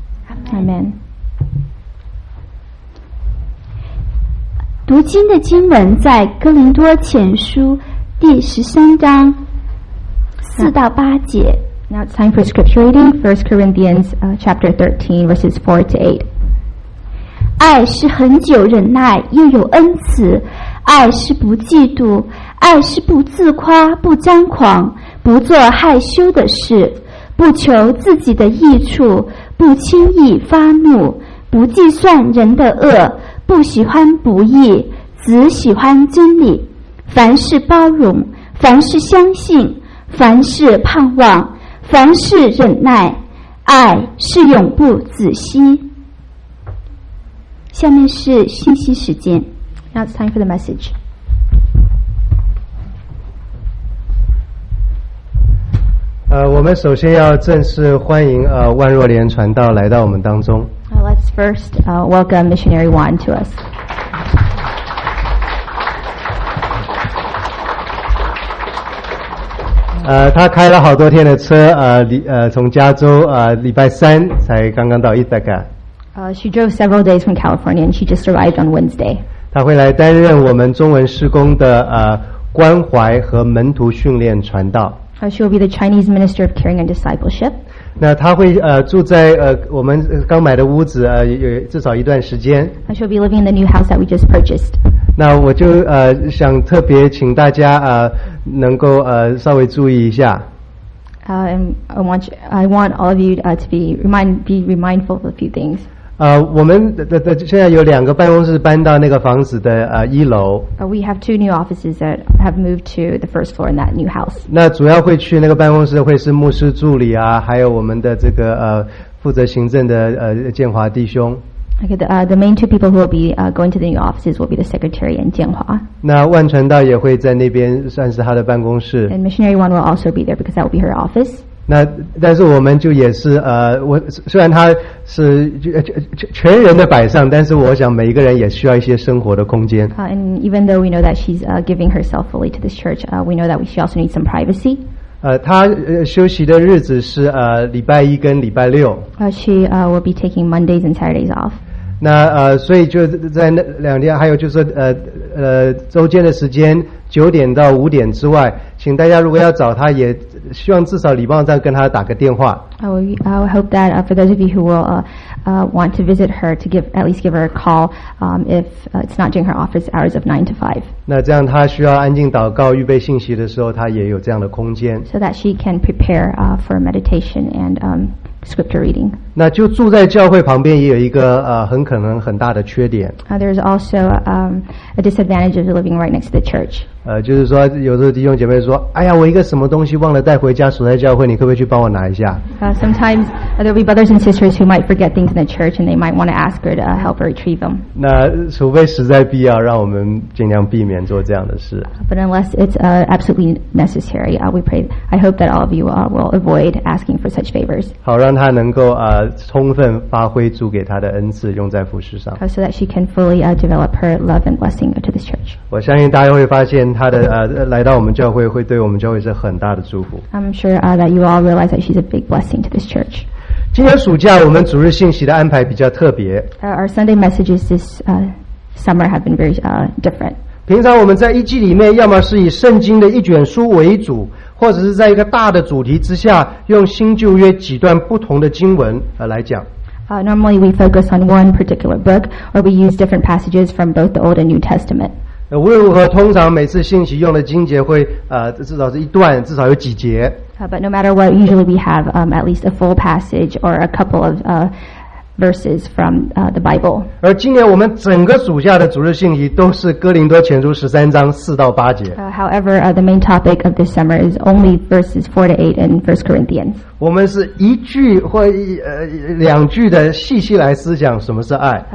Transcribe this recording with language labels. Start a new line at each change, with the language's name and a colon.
English: Amen. Amen.
Chinese: 读经的经文在哥林多前书第十三章四到八节。
English: Now it's time for scripture reading. 1 Corinthians, chapter 13, verses 4 to 8.
Chinese: 爱是恒久忍耐，又有恩慈。爱是不嫉妒，爱是不自夸，不张狂，不做害羞的事，不求自己的益处，不轻易发怒，不计算人的恶，不喜欢不义，只喜欢真理。凡事包容，凡事相信，凡事盼望，凡事忍耐，爱是永不止息。下面是信息时间。
English: Now it's time for the message. We
Chinese: 们首先要正式欢迎万若莲传道来到我们当中。
English: Let's first welcome Missionary Wan to us.
Chinese: 他开了好多天的车，从加州礼拜三才刚刚到伊德干。
English: She drove several days from California, and she just arrived on Wednesday.
Chinese: 他会来担任我们中文事工的关怀和门徒训练传道。
English: She will be the Chinese Minister of Caring and Discipleship.
Chinese: 那他会住在我们刚买的屋子有至少一段时间。
English: She will be living in the new house that we just purchased.
Chinese: 那我就想特别请大家能够稍微注意一下。
English: I want all of you to be mindful of a few things.
Chinese: 我们的现在有两个办公室搬到那个房子的一楼。
English: We have two new offices that have moved to the first floor in that new house.
Chinese: 那主要会去那个办公室会是牧师助理啊，还有我们的这个负责行政的建华弟兄。
English: Okay, the main two people who will be going to the new offices will be the secretary and 建华。
Chinese: 那万传道也会在那边算是他的办公室。
English: And missionary one will also be there because that will be her office.
Chinese: 那但是我们就也是我虽然他是全人的摆上，但是我想每一个人也需要一些生活的空间。
English: And even though we know that she's giving herself fully to this church, we know that she also needs some privacy.
Chinese: 他休息的日子是礼拜一跟礼拜六。
English: She will be taking Mondays and Saturdays off.
Chinese: 那所以就在那两天，还有就是周间的时间。九点到五点之外，请大家如果要找他，也希望至少礼貌上跟他打个电话。
English: I hope that for those of you who will want to visit her, to give at least give her a call if it's not during her office hours of 9 to 5.
Chinese: 那这样他需要安静祷告、预备信息的时候，他也有这样的空间。
English: So that she can prepare for meditation and scripture reading.
Chinese: 那就住在教会旁边，也有一个很可能很大的缺点。
English: There's also a disadvantage of living right next to the church.
Chinese: 就是说有时候弟兄姐妹说，哎呀，我一个什么东西忘了带回家，锁在教会，你可不可以去帮我拿一下？
English: Sometimes there will be brothers and sisters who might forget things in the church and they might want to ask her to help her retrieve them.
Chinese: 那除非实在必要，让我们尽量避免做这样的事。
English: But unless it's absolutely necessary, we pray, I hope that all of you will avoid asking for such favors.
Chinese: 好，让她能够充分发挥主给她的恩赐，用在服事上。
English: So that she can fully develop her love and blessing to this church.
Chinese: 我相信大家会发现他的来到我们教会会对我们教会是很大的祝福。
English: I'm sure that you all realize that she's a big blessing to this church.
Chinese: 今年暑假我们主日信息的安排比较特别。
English: Our Sunday messages this summer have been very different.
Chinese: 平常我们在一季里面要么是以圣经的一卷书为主，或者是在一个大的主题之下用新旧约几段不同的经文来讲。
English: Normally we focus on one particular book or we use different passages from both the Old and New Testament.
Chinese: 无论如何，通常每次信息用的经节会至少是一段，至少有几节。
English: But no matter what, usually we have at least a full passage or a couple of verses from the Bible.
Chinese: 而今年我们整个暑假的主日信息都是哥林多前书十三章四到八节。
English: However, the main topic of this summer is only verses 4-8 in 1 Corinthians.
Chinese: 我们是一句或两句的细细来思想什么是爱。